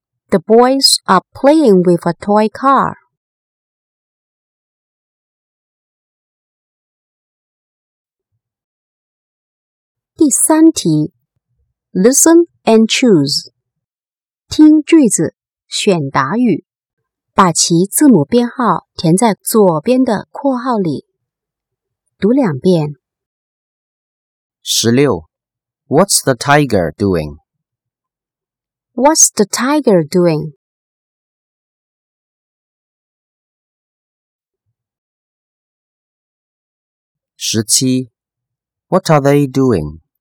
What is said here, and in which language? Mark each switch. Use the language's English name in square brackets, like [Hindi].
[English] The boys are playing with a toy car. [Chinese] 第三题 [English] Listen and choose. [Chinese] 听句子选答语把其字母编号填在左边的括号里。读两遍。十六 [English] What's the tiger doing? What's the tiger doing? [Chinese] 十七 [English] What are they doing?